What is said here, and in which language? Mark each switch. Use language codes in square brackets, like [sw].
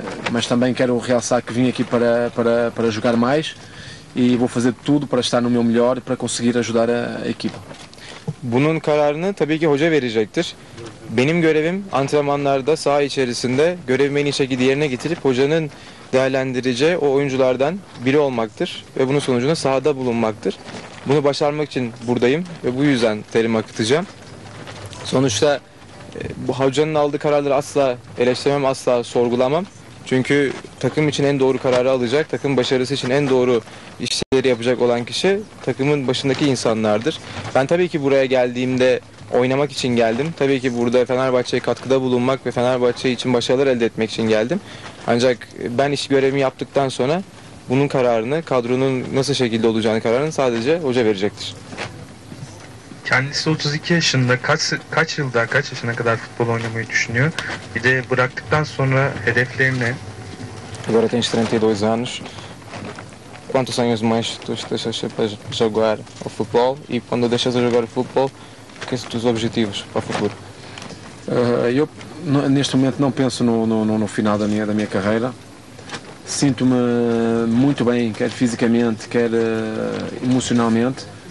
[pt] Mas também quero realçar que vim aqui para jogar mais e vou fazer tudo para estar no meu melhor e para conseguir ajudar a equipa. [tr] Bunun kararını tabii ki hoca verecektir. Benim görevim antrenmanlarda saha içerisinde görevimi en iyi şekilde yerine getirip hocanın değerlendireceği o oyunculardan biri olmaktır ve bunun sonucunda sahada bulunmaktır. Bunu başarmak için buradayım ve bu yüzden terimi akıtacağım. Sonuçta bu hocanın aldığı kararları asla eleştiremem, asla sorgulamam. Çünkü takım için en doğru kararı alacak, takım başarısı için en doğru işleri yapacak olan kişi takımın başındaki insanlardır. Ben tabii ki buraya geldiğimde oynamak için geldim. Tabii ki burada Fenerbahçe'ye katkıda bulunmak ve Fenerbahçe için başarılar elde etmek için geldim. Ancak ben iş görevimi yaptıktan sonra bunun kararını, kadronun nasıl şekilde olacağını kararını sadece hoca verecektir. Kendisi 32 yaşında kaç yılda kaç yaşına kadar futbol oynamayı düşünüyor? Bir de bıraktıktan sonra hedefleri ne? [pt] Agora tens 32 anos. Quantos sonhos mais tu deixas para jogar ao futebol? E quando deixas de jogar ao futebol, quais são os teus objetivos para o futuro? Eu neste momento não penso no final da minha carreira. Sinto-me muito bem, quer fisicamente, quer emocionalmente.